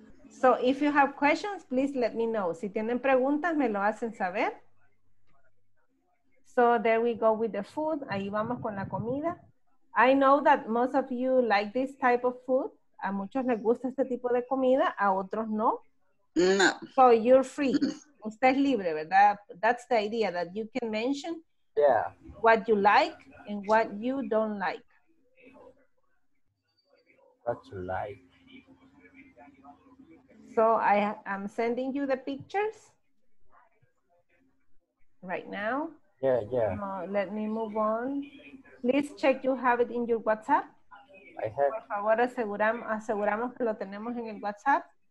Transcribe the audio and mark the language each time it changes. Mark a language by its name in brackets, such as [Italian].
[English] So if you have questions, please let me know. [Spanish] Si tienen preguntas, me lo hacen saber. [English] So there we go with the food. [Spanish] Ahí vamos con la comida. [English] I know that most of you like this type of food. [Spanish] A muchos les gusta este tipo de comida, a otros no. No. [English] So you're free. [Spanish] Usted es libre, ¿verdad? [English] That's the idea, that you can mention yeah. what you like and what you don't like. What you like. So I'm sending you the pictures right now. Yeah, yeah. Let me move on. Please check you have it in your WhatsApp. I have. [Spanish] Por favor, aseguramos que lo tenemos en el WhatsApp.